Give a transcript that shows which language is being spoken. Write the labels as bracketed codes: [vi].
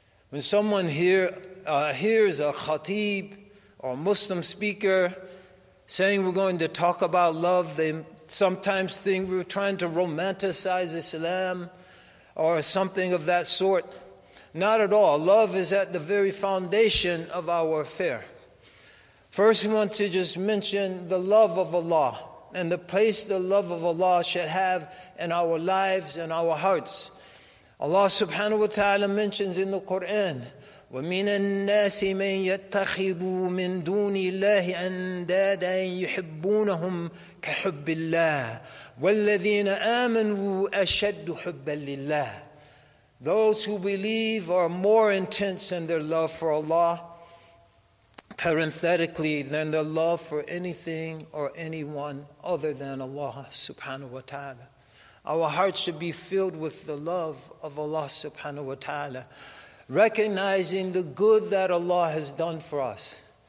[en] When someone hears a khatib or a Muslim speaker saying we're going to talk about love, they sometimes think we're trying to romanticize Islam or something of that sort. Not at all. Love is at the very foundation of our affair. First, we want to just mention the love of Allah and the place the love of Allah should have in our lives and our hearts. Allah subhanahu wa ta'ala mentions in the Quran, [ar] وَمِنَ النَّاسِ مَنْ يَتَّخِذُ مِنْ دُونِ اللَّهِ أَنْدَادًا يُحِبُّونَهُمْ كَحُبِّ اللَّهِ وَالَّذِينَ آمَنُوا أَشَدُّ حُبًّا لِلَّهِ. [en] Those who believe are more intense in their love for Allah, parenthetically, than their love for anything or anyone other than Allah subhanahu wa ta'ala. Our hearts should be filled with the love of Allah subhanahu wa ta'ala, recognizing the good that Allah has done for us.